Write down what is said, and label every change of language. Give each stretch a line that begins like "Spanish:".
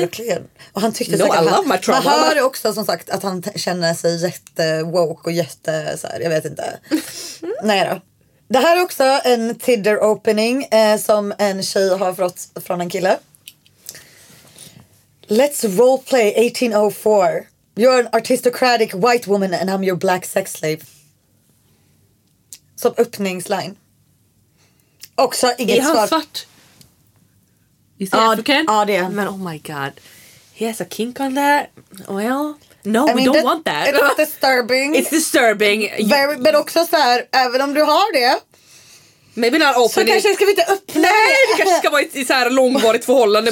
Swedish: Verkligen. Och han tyckte säkert, man hör också som sagt att han känner sig jätte woke och jätte så här, jag vet inte. Nej då. Det här är också en Tinder opening som en tjej har fått från en kille.
English: Let's roleplay 1804. You're an aristocratic white woman and I'm your black sex slave.
Swedish: Som öppningsline. Också inget svar. Är han svart?
English: Is he African?
Swedish: Ja, det är han.
English: Men oh my god. He has a kink on that. Well, no, I mean, we don't want that. It's disturbing. It's disturbing.
Swedish: Very, men också så här, även om du har det.
English: Maybe not opening.
Swedish: Så kanske ska vi inte öppna. Nej, det kanske ska vara i så här långvarigt förhållande.